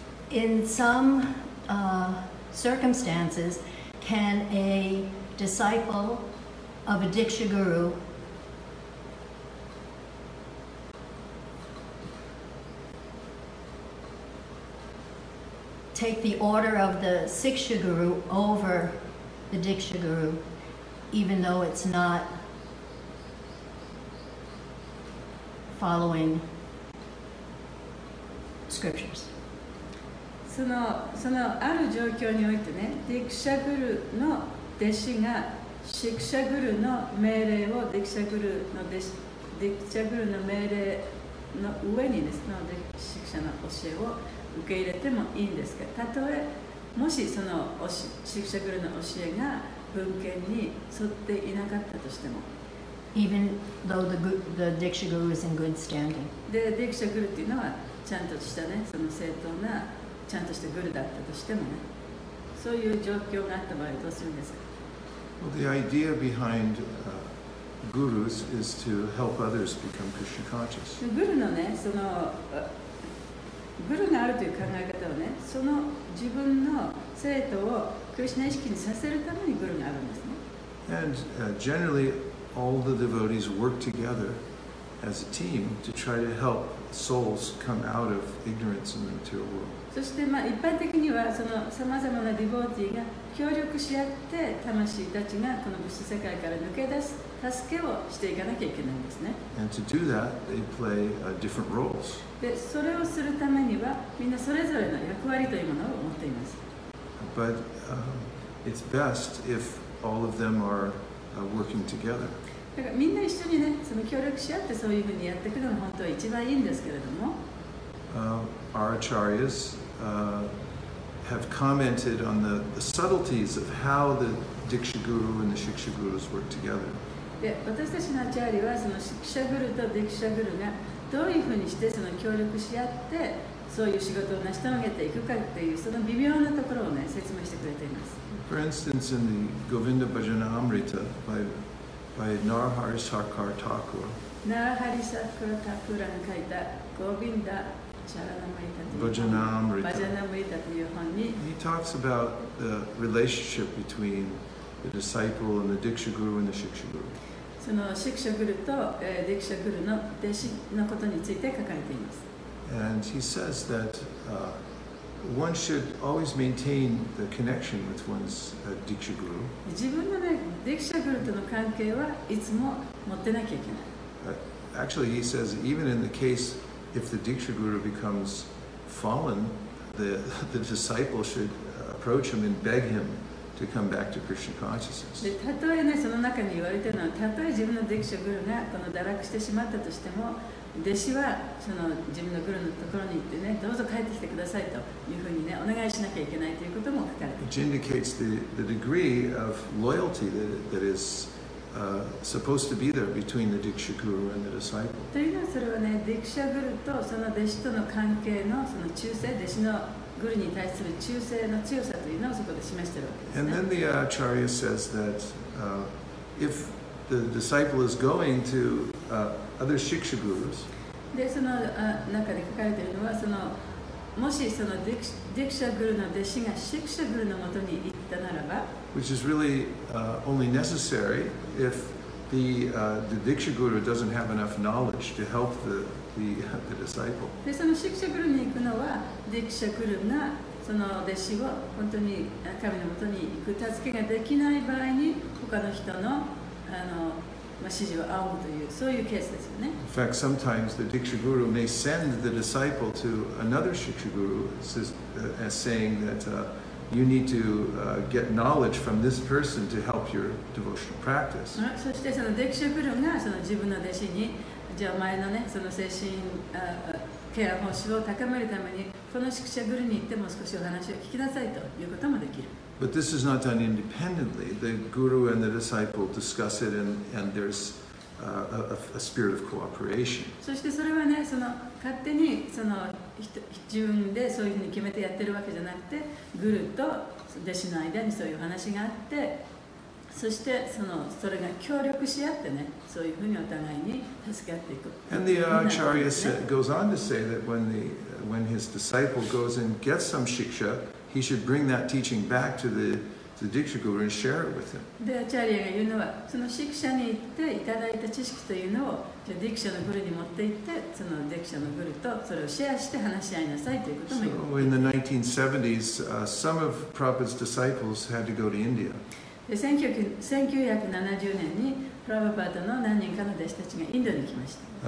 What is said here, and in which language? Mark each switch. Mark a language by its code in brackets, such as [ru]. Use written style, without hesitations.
[en] In some circumstances, can a disciple of a Diksha Guru take the order of the Siksha Guru over the Diksha Guru even though it's not following scriptures. [ja] そのある状況においてね、Diksha Guruの弟子がシクシャグルの命令をディクシャグルの弟子ディクシャグルの命令の上にですね、シクシャの教えを受け入れてもいいんですが、たとえもしそのシクシャグルの教えが文献に沿っていなかったとしても、 [en] even though the Diksha Guru is in good standing、 [ja] でディクシャグルっていうのはちゃんとしたね、その正当なちゃんとしたグルだったとしてもね。そういう状況があった場合どうするんですか? [en] Well, the idea behind gurus is to help others become Krishna conscious. [ja] グルのね、そのグルがあるという考え方をね、その自分の生徒をクリシナ意識にさせるためにグルがあるんですね。 [en] And generally, all the devotees work together as a team to try to help souls come out of ignorance in the material world. [ja] そしてまあ一般的にはそのさまざまなディボーティーが協力し合って魂たちがこの物質世界から抜け出す助けをしていかなきゃいけないんですね。 [en] And to do that, they play different roles. [ja] でそれをするためにはみんなそれぞれの役割というものを持っています。 [en] But it's best if all of them are working together. [ja] だからみんな一緒にねその協力し合ってそういうふうにやっていくのが本当は一番いいんですけれども。 [en] Our acharyas have commented on the subtleties of how the Diksha Guru and the Siksha Gurus work together. [ja] で、私たちのアチャーリはそのシクシャグルとディクシャグルがどういうふうにしてその協力し合ってそういう仕事を成し遂げていくかっていうその微妙なところをね説明してくれています。 [en] For instance, in the Govinda Bhajanamrita by Narahari Sarkar Thakur, [ja] Narahari Sarkar Thakur が書いた Govinda Charanamrita Bhajanamrita という本に、 [en] He talks about the relationship between the disciple and the Diksha Guru and the Shiksha Guru. [ja] そのシクシャグルとディクシャグルの弟子のことについて書かれています。 [en] And he says that one should always maintain the connection with one's Diksha Guru. [ja] 自分のね、ディクシャグルとの関係はいつも持ってなきゃいけない。 [en] Actually, he says even in the case if the Diksha Guru becomes fallen, the disciple should approach him and beg him to come back to Krishna consciousness. [ja] で、たとえね、その中に言われてるのは、たとえ自分のディクシャグルがこの堕落してしまったとしても。弟子はその自分のグルのところに行ってね、どうぞ帰ってきてくださいというふうにね、お願いしなきゃいけないということも書かれています。 [en] It indicates the degree of loyalty that is supposed to be there between the Diksha Guru and the disciple. [ja] というのはそれはね、ディクシャグルとその弟子との関係のその忠誠、弟子のグルに対する忠誠の強さというのをそこで示しているわけですね。 [en] And then the Acharya says that if the disciple is going to other Shiksha Gurus. [ja] で、その中で書かれているのは、そのもしそのディクシャグルの弟子がシクシャグルのもとに行ったならば、 [en] which is really only necessary if the Diksha Guru doesn't have enough knowledge to help the disciple. [ja] で、そのシクシャグルに行くのは、ディクシャグルがその弟子を本当に神のもとに行く助けができない場合に、他の人のあの。 [en] In fact, sometimes the Diksha Guru may send the disciple to another Shiksha Guru as saying that you need to get knowledge from this person to help your devotional practice. [ja] そしてそのディクシャグルがその自分の弟子に、じゃあ前のね、その精神ケア方針を高めるために、このシクシャグルに行っても少しお話を聞きなさいということもできる。 [en] But this is not done independently. The guru and the disciple discuss it, and there's a spirit of cooperation. [ja] そしてそれはね、その勝手にその自分でそういうふうに決めてやってるわけじゃなくて、グルと弟子の間にそういう話があって、そしてそのそれが協力し合ってね、そういうふうにお互いに助け合っていく。 [en] And the Acharya goes on to say that when his disciple goes and gets some shiksha. He should bring that teaching back to the Diksha Guru and share it with him. [ja] で、アチャリアが言うのは、そのシクシャに行っていただいた知識というのを、じゃあディクシャのグルに持って行って、そのディクシャのグルとそれをシェアして話し合いなさいということも言 [en] う。So in the 1970s, some of Prabhupada's disciples had to go to India. [ja] で、1970年にプラヴァパーダの何人かの弟子たちがインドに来ました。